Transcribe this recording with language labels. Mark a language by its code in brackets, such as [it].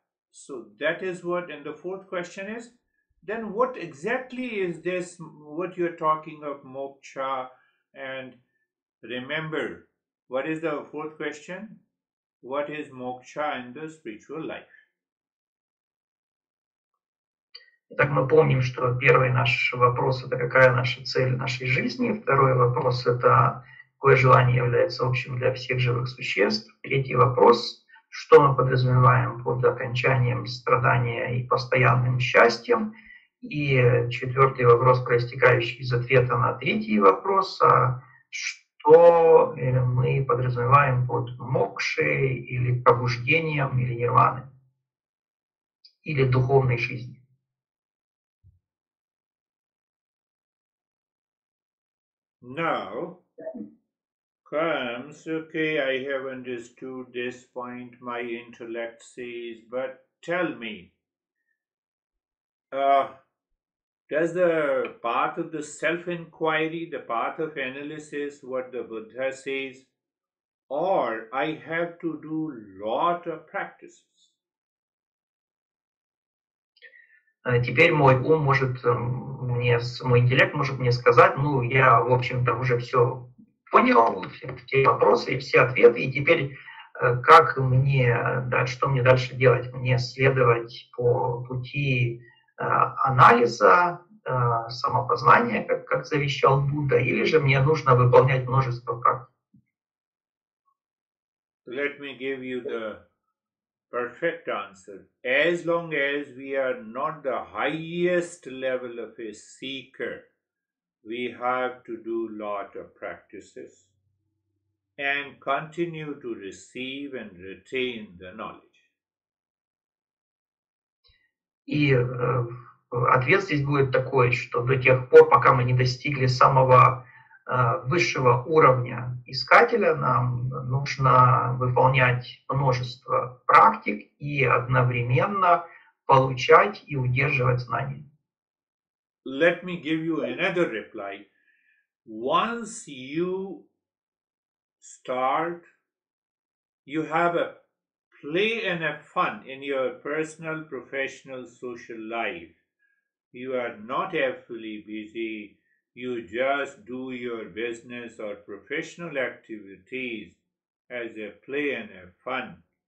[en] So that is what, and the fourth question is, then what exactly is this, what you are talking of moksha, and remember, what is the fourth question? What is moksha in the spiritual life? [ru] Итак, мы помним, что первый наш вопрос, это какая наша цель в нашей жизни, второй вопрос, это какое желание является общим для всех живых существ, третий вопрос, что мы подразумеваем под окончанием страдания и постоянным счастьем? И четвертый вопрос, проистекающий из ответа на третий вопрос, а что мы подразумеваем под мокшей или пробуждением или нирваной, или духовной жизнью? [en] Now. Comes, okay, I have understood this point, my intellect says, but tell me, does the path of the self-inquiry, the path of analysis, what the Buddha says, or I have to do lot of practices? [ru] Теперь мой ум может мне, мой интеллект может мне сказать, ну, я, в общем-то, уже все понял все вопросы и все ответы, и теперь как мне, да, что мне дальше делать? Мне следовать по пути анализа, самопознания, как завещал Будда, или же мне нужно выполнять множество практик? [en] Let me give you the perfect answer. As long as we are not the highest level of a seeker, we have to do a lot of practices and continue to receive and retain the knowledge. [ru] И ответственность будет такой, что до тех пор, пока мы не достигли самого высшего уровня искателя, нам нужно выполнять множество практик и одновременно получать и удерживать знания. [en] Let me give you another reply. Once you start, you have a play and a fun in your personal, professional, social life. You are not awfully busy. You just do your business or professional activities as a play and a fun.